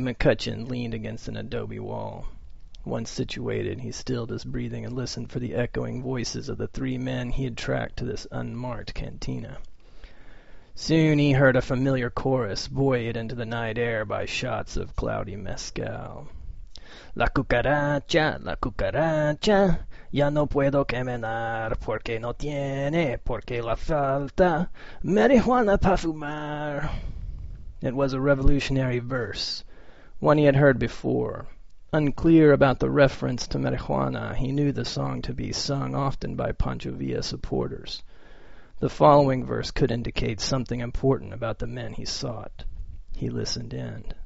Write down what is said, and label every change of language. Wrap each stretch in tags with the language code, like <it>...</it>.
<en>McCutcheon leaned against an adobe wall. Once situated, he stilled his breathing and listened for the echoing voices of the three men he had tracked to this unmarked cantina. Soon he heard a familiar chorus buoyed into the night air by shots of cloudy mezcal.</en> <es>La cucaracha, la cucaracha, ya no puedo caminar, porque no tiene, porque la falta, marihuana pa fumar.</es> <en>It was a revolutionary verse, one he had heard before. Unclear about the reference to marijuana, he knew the song to be sung often by Pancho Villa supporters. The following verse could indicate something important about the men he sought. He listened in.</en>